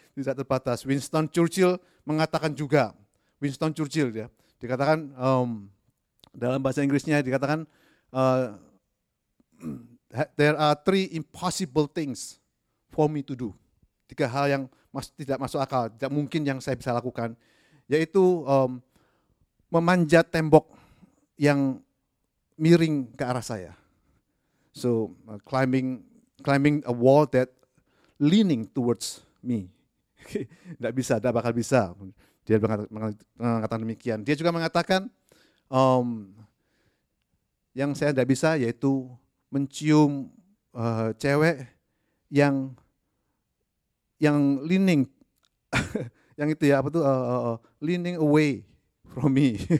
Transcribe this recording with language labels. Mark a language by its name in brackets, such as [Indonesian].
[Indonesian] Tidak terbatas. Winston Churchill mengatakan juga, Winston Churchill ya, dikatakan dalam bahasa Inggrisnya dikatakan [English] there are three impossible things for me to do. [Indonesian] Tiga hal yang tidak masuk akal, tidak mungkin yang saya bisa lakukan, yaitu memanjat tembok yang miring ke arah saya. [English] So climbing a wall that leaning towards me. [Indonesian] Tidak bisa, tidak bakal bisa. Dia mengatakan demikian. Dia juga mengatakan yang saya tidak bisa yaitu mencium cewek yang leaning yang itu ya apa tuh [English] leaning away from me.